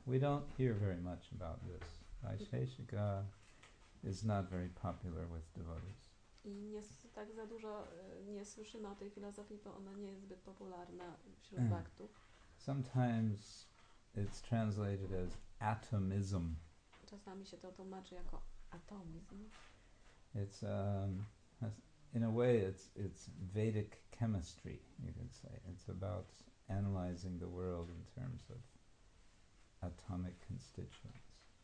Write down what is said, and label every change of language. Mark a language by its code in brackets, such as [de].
[en] We don't hear very much about this. Vaisheshika is not very popular with devotees. [pl] I nie tak za dużo nie słyszymy o tej filozofii, bo ona nie jest zbyt popularna wśród bhaktów. [en] Sometimes it's translated as atomism. [pl] Czasami się to tłumaczy jako atomizm. [en] It's in a way it's Vedic chemistry, you could say. It's about analyzing the world in terms of atomic constituents.